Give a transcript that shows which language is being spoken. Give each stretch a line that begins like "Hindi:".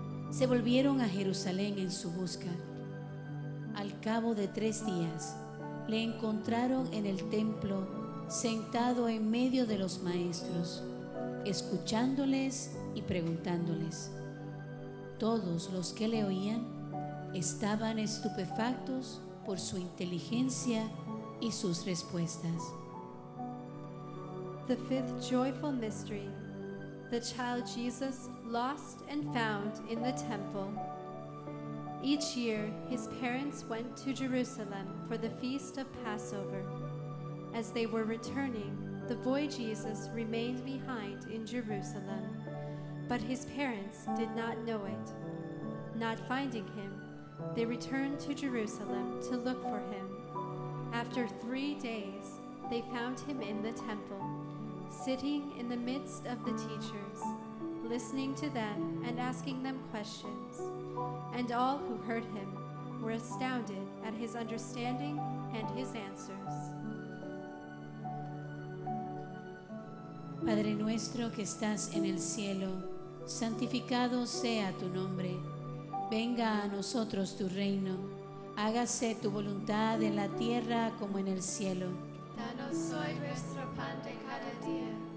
Spanish: Se volvieron a Jerusalén en su busca. Al cabo de 3 días, le encontraron en el templo, sentado en medio de los maestros, escuchándoles y preguntándoles. Todos los que le oían estaban estupefactos por su inteligencia y sus respuestas.
English: The fifth joyful mystery, the child Jesus lost and found in the temple. Each year, his parents went to Jerusalem for the feast of Passover. As they were returning, the boy Jesus remained behind in Jerusalem, but his parents did not know it. Not finding him, they returned to Jerusalem to look for him. After 3 days, they found him in the temple, sitting in the midst of the teachers, listening to them and asking them questions. And all who heard him were astounded at his understanding and his answers.
Spanish: Padre nuestro que estás en el cielo, santificado sea tu nombre. Venga a nosotros tu reino. Hágase tu voluntad en la tierra como en el cielo. Danos hoy nuestro pan de cada día.